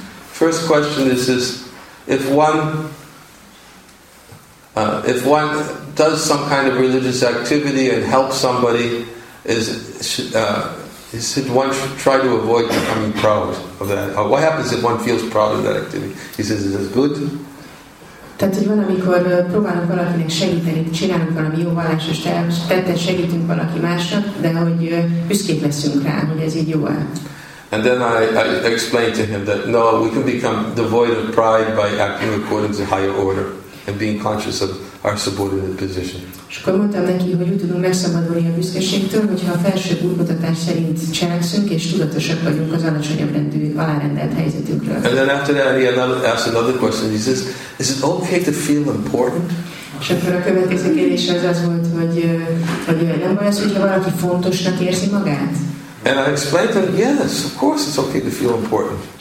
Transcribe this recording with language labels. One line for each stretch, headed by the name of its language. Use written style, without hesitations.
English: First question is this: if one does some kind of religious activity and helps somebody, should one try to avoid becoming proud of that? Or what happens if one feels proud of that activity? He says, is this good?
Hungarian: Tehát, hogy van, amikor próbálunk valakinek segíteni, csinálunk valami jó vallásos tettet, segítünk valaki másnak, de hogy büszkék leszünk rá, hogy ez így jó-e.
English: And then I explained to him that no, we can become devoid of pride by acting according to higher order and being conscious of our subordinate position.
Hungarian: És akkor mondtam neki, hogy úgy tudunk megszabadulni a büszkeségtől, hogyha a felsőbb útmutatás szerint cselekszünk és tudatosak vagyunk az alacsonyabb rendű alárendelt helyzetünkről.
English: And then after that he asked another question. He says, is it okay to feel important?
Hungarian: És akkor a következő kérdés az volt, hogy nem baj az, hogyha valaki fontosnak érzi magát?
English: And I explained to him, yes, of course it's okay to feel important.